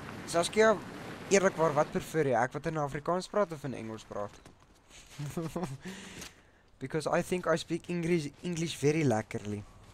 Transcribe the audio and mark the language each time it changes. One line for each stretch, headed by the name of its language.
Afrikaans: Saskia, eerlijk waar, wat prefer jy? Ek wat in Afrikaans praat of in Engels praat?
English: Because I think I speak English very lekkerly.